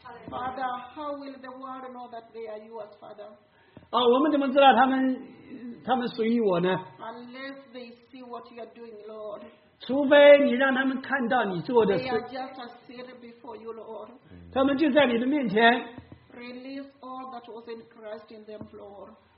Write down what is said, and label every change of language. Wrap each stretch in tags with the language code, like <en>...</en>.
<en>Father, how will the world know that they are yours, Father?</en> <zh>哦，我们怎么知道他们属于我呢？</zh> <en>Unless they see what you are doing, Lord.</en> <zh>除非你让他们看到你做的事。</zh> <en>They are just a seed before you, Lord.</en> <zh>他们就在你的面前。</zh> <en>Release all that was in Christ in them, Lord.</en>